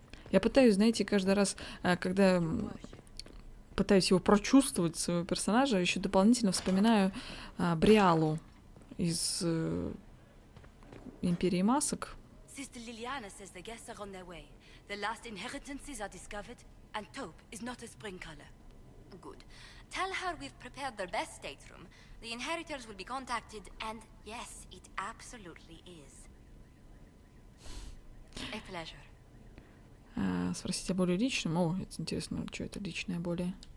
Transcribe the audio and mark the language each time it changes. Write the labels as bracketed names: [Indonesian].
[Russian] Я пытаюсь, знаете, каждый раз, когда пытаюсь его прочувствовать, своего персонажа, еще дополнительно вспоминаю Бриалу из Империи масок. [English] Sister Liliana says the guests are on their way. The last inheritances are discovered, and taupe is not a spring color. Good. Tell her we've prepared their best stateroom. The inheritors will be contacted, and yes, it absolutely is. A pleasure. [Russian] Спросите о более личном. О, это интересно, что это личное более.